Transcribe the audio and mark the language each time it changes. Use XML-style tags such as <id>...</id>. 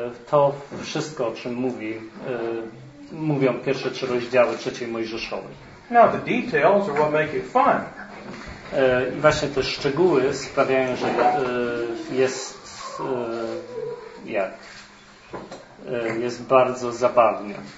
<pl>To wszystko, o czym mówi, mówią pierwsze trzy rozdziały trzeciej Mojżeszowej.</pl> <en>Now the details are what make it fun.</en> <pl>I właśnie te szczegóły sprawiają, że jest jak jest bardzo zabawnie.</pl>